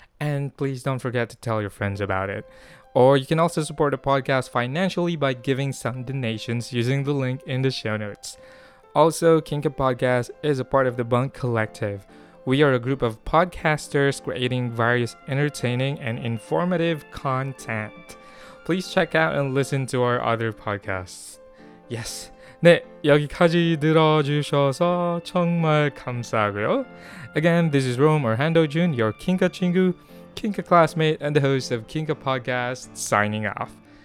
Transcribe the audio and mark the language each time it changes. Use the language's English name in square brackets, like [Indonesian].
[English] And please don't forget to tell your friends about it. Or you can also support the podcast financially by giving some donations using the link in the show notes. Also, Kinka Podcast is a part of the Bunk Collective. We are a group of podcasters creating various entertaining and informative content. Please check out and listen to our other podcasts. Yes. [Korean] 네, 여기까지 들어주셔서 정말 감사하고요. [English] Again, this is Rome Orhando Jun, your Kinka 친구, Kinka classmate, and the host of Kinka Podcast, signing off.